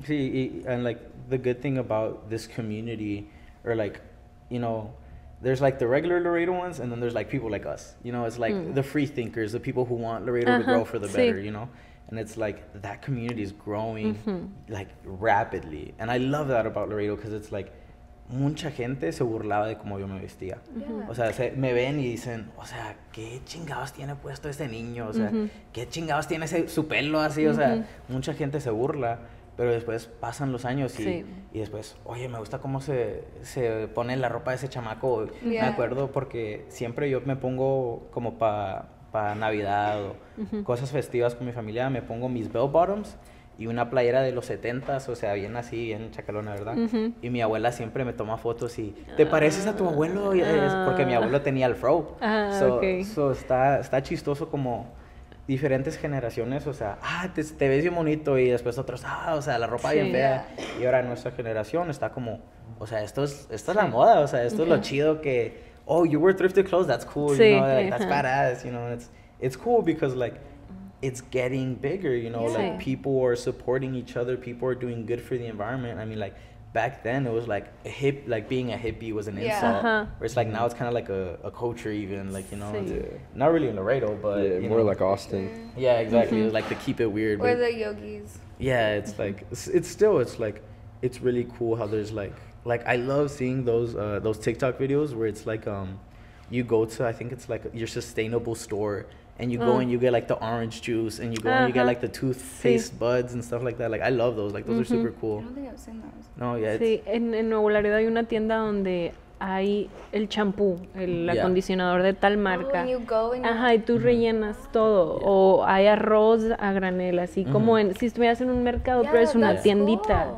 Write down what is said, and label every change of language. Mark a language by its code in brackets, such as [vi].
[en] See, and like the good thing about this community, or like, you know, there's like the regular Laredo ones, and then there's like people like us. You know, it's like the free thinkers, the people who want Laredo uh-huh. to grow for the [es] sí. [en] better. You know, and it's like that community is growing mm-hmm. like rapidly, and I love that about Laredo because it's like. [es] Mucha gente se burlaba de cómo yo me vestía. [en] Yeah. [es] O sea, me ven y dicen, o sea, ¿qué chingados tiene puesto ese niño? O sea, mm-hmm. ¿qué chingados tiene su pelo así? Mm-hmm. O sea, mucha gente se burla, pero después pasan los años y, sí. y después, oye, me gusta cómo se pone la ropa de ese chamaco. [en] Yeah. [es] Me acuerdo porque siempre yo me pongo como pa Navidad o mm-hmm. cosas festivas con mi familia, me pongo mis bell bottoms. Y una playera de los 70s, o sea, bien así, bien chacalona, ¿verdad? Uh-huh. Y mi abuela siempre me toma fotos y, ¿te pareces a tu abuelo? Porque mi abuelo tenía el fro. So está chistoso como diferentes generaciones, o sea, te ves bien bonito y después otros, o sea, la ropa sí. bien fea. Y ahora nuestra generación está como, o sea, esto es la moda, o sea, esto uh-huh. [en] es lo chido que, oh, you wear thrifted clothes, that's cool, [es] sí. [en] you know, uh-huh. that's badass, you know, it's cool because like, it's getting bigger, you know, yeah. like people are supporting each other, people are doing good for the environment. I mean, like back then it was like a hip, like being a hippie was an yeah. insult. Uh-huh. Where it's like now it's kind of like a culture even, like, you know, yeah. not really in Laredo, but yeah, you more know. Like Austin. Yeah, exactly. Mm-hmm. Like the keep it weird. Or the yogis. Yeah, it's like, it's it's really cool how there's like I love seeing those TikTok videos where it's like, you go to, I think it's like your sustainable store. And you go and you get like the orange juice and you go uh-huh. and you get like the toothpaste buds and stuff like that. Like I love those. Like those mm-hmm. are super cool. I don't think I've seen those. No, yeah. [es] Sí, en Nuevo Laredo hay una tienda donde hay el champú, el [en] yeah. [es] acondicionador de tal marca. [en] Oh, and you go and [es] ajá, y tú mm-hmm. rellenas todo. [en] Yeah. [es] O hay arroz a granel, así mm-hmm. como en si estuvieras en un mercado, [en] yeah, [es] pero es una [en] cool. [es] tiendita.